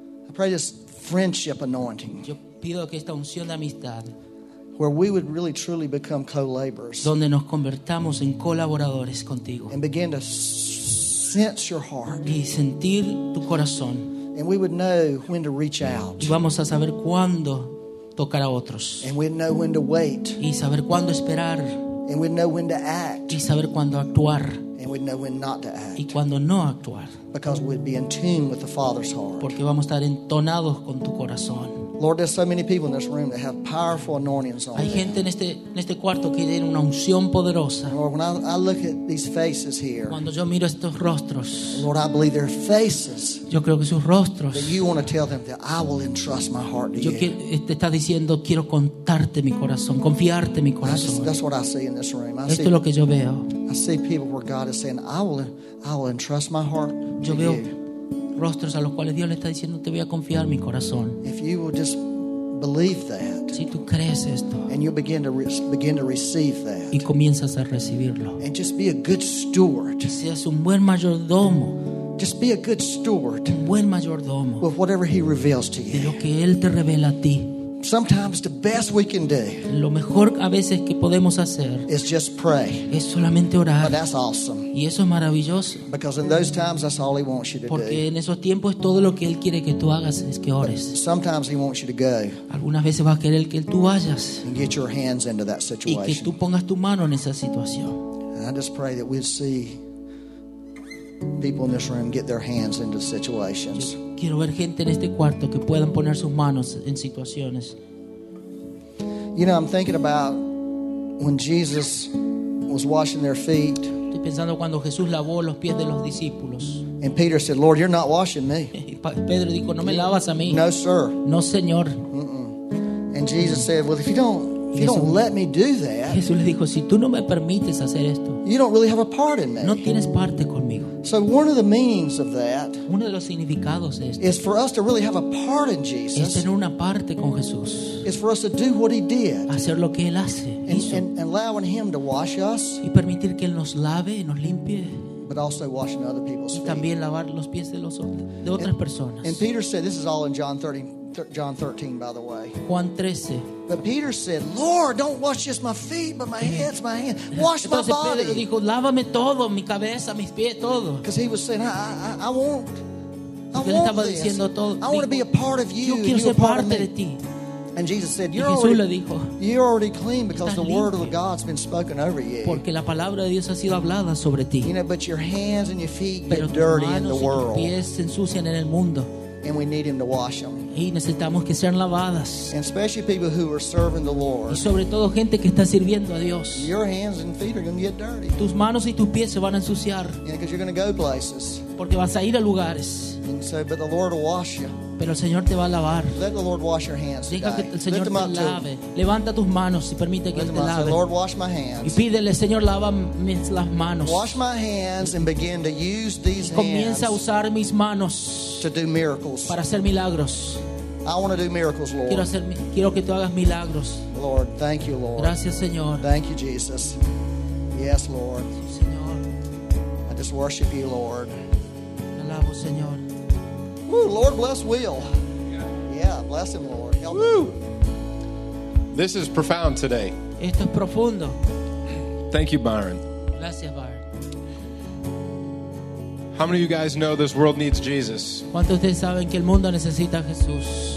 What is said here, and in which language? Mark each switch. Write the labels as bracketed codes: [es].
[en] I pray this friendship anointing. [es] Yo pido que esta unción de amistad, [en] where we would really truly become co-laborers. [es] Donde nos convertamos en colaboradores contigo. [en] And begin to sense your heart. [es] Y sentir tu corazón. [en] And we would know when to reach out. [es] Y vamos a saber cuándo tocar a otros. [en] And we'd know when to wait. [es] Y saber cuándo esperar. [en] And we'd know when to act. [es] Y saber cuándo actuar. [en] And we'd know when not to act. [es] Y cuándo no actuar. [en] Because we'd be in tune with the Father's heart. [es] Porque vamos a estar entonados con tu corazón. [en] Lord, there's so many people in this room that have powerful anointings on. [es] Hay gente en este cuarto que tiene una unción poderosa. [en] Lord, when I look at these faces here, [es] cuando yo miro estos rostros, [en] Lord, I believe their faces. [es] Yo creo que sus rostros. [en] That you want to tell them that I will entrust my heart to [es] yo [en] you. [es] Te está diciendo quiero contarte mi corazón, confiarte mi corazón. [en] That's what I see in this room. [es] Esto es lo que yo veo. [en] I see people where God is saying, I will entrust my heart to [es] yo veo, [en] you. [es] Rostros a los cuales Dios le está diciendo te voy a confiar mi corazón. [en] If you will just believe that, [es] si tú crees esto [en] and you begin to begin to receive that, [es] y comienzas a recibirlo [en] and just be a good steward, [es] seas un buen mayordomo, [en] just be a good steward, [es] un buen mayordomo, [en] with whatever he reveals to you, [es] de lo que él te revela a ti. [en] Sometimes the best we can do, [es] lo mejor a veces que podemos hacer, [en] is just pray. [es] Es solamente orar. [en] But that's awesome. [es] Y eso es maravilloso. [en] Because in those times, that's all he wants you to [es] porque [en] do. [es] Porque en esos tiempos todo lo que él quiere que tú hagas es que ores. [en] But sometimes he wants you to go. [es] Algunas veces va a querer que tú vayas. [en] And get your hands into that situation. [es] Y que tú pongas tu mano en esa situación. [en] And I just pray that we'll see people in this room get their hands into situations. [es] Quiero ver gente en este cuarto que puedan poner sus manos en situaciones. [en] You know, I'm thinking about when Jesus was washing their feet. [es] Estoy pensando cuando Jesús lavó los pies de los discípulos. [en] And Peter said, "Lord, you're not washing me." [es] Pedro dijo, "No me lavas a mí." [en] No, sir. [es] No, señor. Mm-mm. [en] And Jesus said, "Well, if you don't let me do that." [es] Jesús le dijo, "Si tú no me permites hacer esto." [en] You don't really have a part in me. [es] No tienes parte conmigo. [en] So one of the meanings of that, [es] uno de los significados de esto, [en] is for us to really have a part in Jesus. [es] Es tener una parte con Jesús. [en] Is for us to do what he did. [es] Hacer lo que él hace. [en] And allowing him to wash us. [es] Y permitir que él nos lave y nos limpie. [en] But also washing other people's feet. [es] Y también lavar los pies de otras personas. [en] And Peter said, this is all in John 13, by the way. [es] Juan 13. [en] But Peter said, "Lord, don't wash just my feet, but my hands, my hands. Wash my body." [es] Entonces Pedro dijo, "Lávame todo, mi cabeza, mis pies, todo." [en] Because he was saying, I want [es] estaba diciendo [en] this. [es] Todo, [en] I want to be a part of you. [es] Yo quiero ser parte de ti. [en] And Jesus said, "You're [es] Jesús [en] already, [es] le dijo, [en] you're already clean because the word of God's been spoken over you." [es] Porque la palabra de Dios ha sido hablada sobre ti. [en] You know, but your hands and your feet [es] pero [en] get dirty in the world. [es] Pero tus manos y tus pies se ensucian en el mundo. [en] And we need him to wash them. [es] Y necesitamos que sean lavadas. [en] And especially people who are serving the Lord. [es] Y sobre todo gente que está sirviendo a Dios. [en] Your hands and feet are going to get dirty. [es] Tus manos y tus pies se van a ensuciar. [en] Yeah, because you're going to go places. [es] Porque vas a ir a lugares. [en] working, so but the Lord will wash you. [es] Pero el Señor te va a lavar. [en] Let the Lord wash your hands. [es] Diga que el Señor te lave. Levanta tus manos y permite que él te lave. [en] Say, Lord, wash my hands. [es] Y pídele, Señor, lava mis las manos. [en] Wash my hands and begin to use these hands. [es] Comienza a usar mis manos [en] to do miracles. [es] Para hacer milagros. [en] I want to do miracles, Lord. [es] Quiero hacer, quiero que tú hagas milagros. [en] Lord, thank you, Lord. [es] Gracias, Señor. [en] Thank you, Jesus. Yes, Lord. [es] Señor. [en] I just worship you, Lord. [es] Alabo, Señor. [en] Woo, Lord bless Will. Yeah, bless him, Lord. Help Woo. This is profound today. [es] Esto es profundo. [en] Thank you, Byron. [es] Gracias, Byron. [en] How many of you guys know this world needs Jesus? [es] ¿Cuántos ustedes saben que el mundo necesita a Jesús?